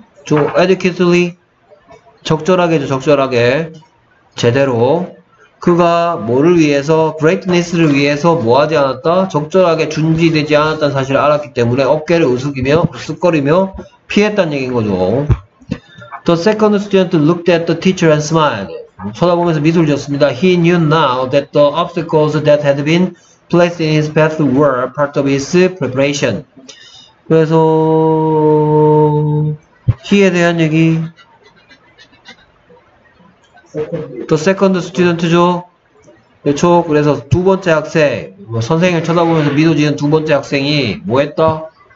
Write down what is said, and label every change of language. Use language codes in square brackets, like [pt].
[ko] adequately, 적절하게, 적절하게, 제대로. 그가 뭐를 위해서, greatness를 위해서 뭐 하지 않았다? 적절하게 준비되지 않았다는 사실을 알았기 때문에 어깨를 우스기며, 우스거리며 피했다는 얘기인 거죠. [en] The second student looked at the teacher and smiled. [ko] 쳐다보면서 미소를 지었습니다. [en] He knew now that the obstacles that had been placed in his path were part of his preparation. [ko] 그래서 he에 대한 얘기. [en] The second student죠. [ko] 그렇죠. 그래서 두 번째 학생, 뭐 선생님을 쳐다보면서 미소지은 두 번째 학생이 뭐 했다?